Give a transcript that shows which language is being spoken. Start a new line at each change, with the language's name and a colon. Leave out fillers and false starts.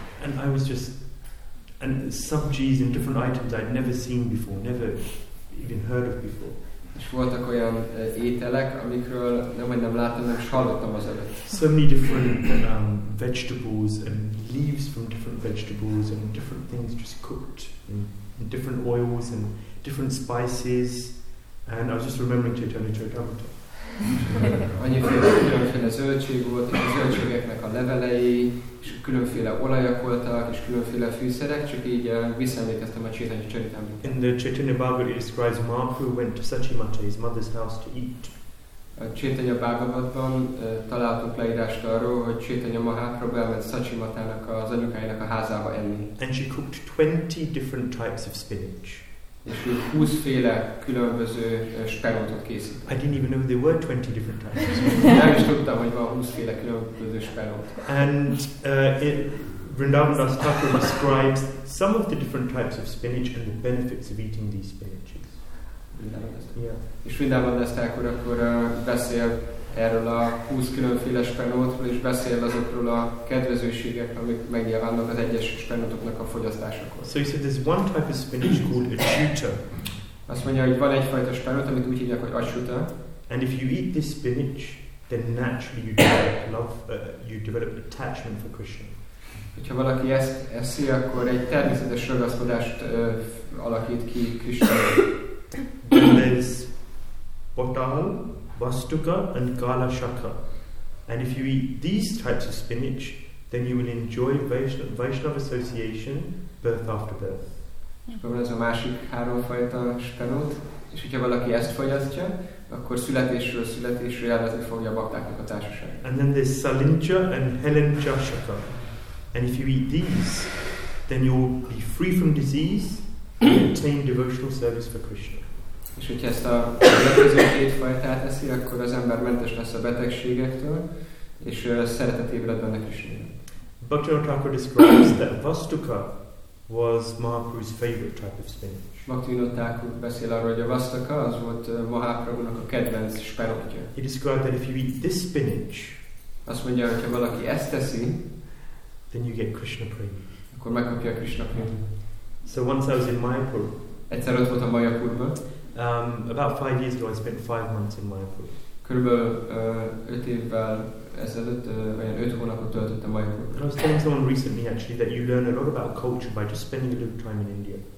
English: And I was just, and subjects in different items I'd never seen before, never even heard of before.
Hungarian: És voltak olyan ételek, amikről nem láttam, nem hallottam az előtt.
English: So many different vegetables and leaves from different vegetables and different things just cooked in different oils and different spices. And I was just remembering Chaitanya Charitamrita.
Hungarian: Annyiféle zöldség volt, és a zöldségeknek a levelei, és különféle olajak voltak, és különféle fűszerek, csak így visszaemlékeztem a Chaitanya Charitamrita.
English: In the Chaitanya Bhagavata it describes Mahaprabhu went to Sachimata, his mother's house, to eat.
Hungarian: A Chaitanya Bhagavatban találtunk leírást arról, hogy Chaitanya Mahaprabhu elment Sachimatának, az anyukájának a házába enni.
English: And she cooked 20 different types of spinach.
Hungarian: És ő 20-féle különböző speroltot készít.
English: I didn't even know there were 20 different types.
Hungarian: Nem is tudtam, hogy van 20-féle különböző sperolt.
English: And Vrindavan Das Thakur describes some of the different types of spinach and the benefits of eating these spinaches.
Hungarian: Vrindavan Das Thakur akkor beszél erről a 20 különféle spenótról, és beszél azokról a kedvezőségekről, amik megjelennek az egyes spenótoknak a fogyasztásakor.
English: So he said there's one type of spinach called acciutta.
Hungarian: Azt mondja, hogy van egyfajta spenót, amit úgy hívják, hogy acciutta.
English: And if you eat this spinach, then naturally you develop love, you develop attachment for Krishna.
Hungarian: Hogyha valaki ezt eszi, akkor egy természetes ragaszkodást alakít ki Krisztusra.
English: There's potal, vastuka and kala shaka. And if you eat these types of spinach, then you will enjoy Vaishnava association birth after birth.
Hungarian: És akkor ez a másik háromfajta spenót. És hogyha valaki ezt fogyasztja, akkor születésről születésre jelvezni fogja a baktáknak a társaság.
English: And then there's salincha and helincha shaka. And if you eat these, then you'll be free from disease and attain devotional service for Krishna.
Hungarian: És hogyha ezt a következő két fajtát eszi, akkor az ember mentes lesz a betegségektől, és szeretet ébred benne Krishna.
English: Bhaktivinoda Thakur describes that vastuka was Mahaprabhu's favorite type of spinach.
Hungarian: Bhaktivinoda Thakur beszél arról, hogy a vastuka az volt Mahaprabhunak a kedvenc spenótja.
English: He described that if you eat this spinach,
Hungarian: azt mondja, hogyha valaki ezt eszi,
English: then you get Krishna prema.
Hungarian: Akkor megkapja Krishna prema.
English: So once I was in Mayapur.
Hungarian: Egyszer ott voltam Mayapurban.
English: About 5 years ago, I spent 5 months in Mayapur.
Hungarian: Körülbelül 5 évvel ezelőtt, vagy 5 hónapot töltöttem Mayapurban.
English: I was telling someone recently actually that you learn a lot about culture by just spending a little time in India.